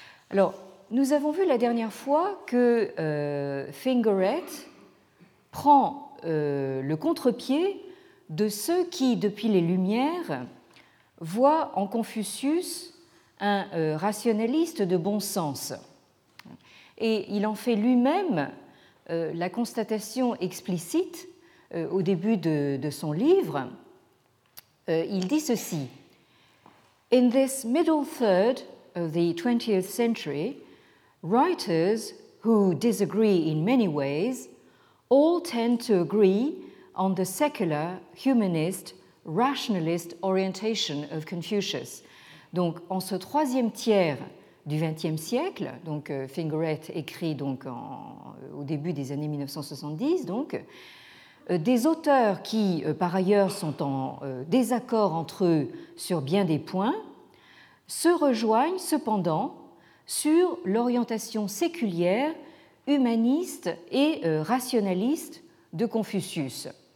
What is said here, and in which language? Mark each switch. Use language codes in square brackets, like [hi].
[fr] Alors, nous avons vu la dernière fois que Fingeret prend le contre-pied de ceux qui, depuis les Lumières, voient en Confucius un rationaliste de bon sens. Et il en fait lui-même la constatation explicite au début de son livre. Il dit ceci: [en] In this middle third of the 20th century, writers who disagree in many ways all tend to agree on the secular, humanist, rationalist orientation of Confucius. [fr] Donc, en ce troisième tiers du XXe siècle, donc Fingeret écrit donc au début des années 1970, donc, des auteurs qui, par ailleurs, sont en désaccord entre eux sur bien des points, se rejoignent cependant sur l'orientation séculière, humaniste et rationaliste de Confucius.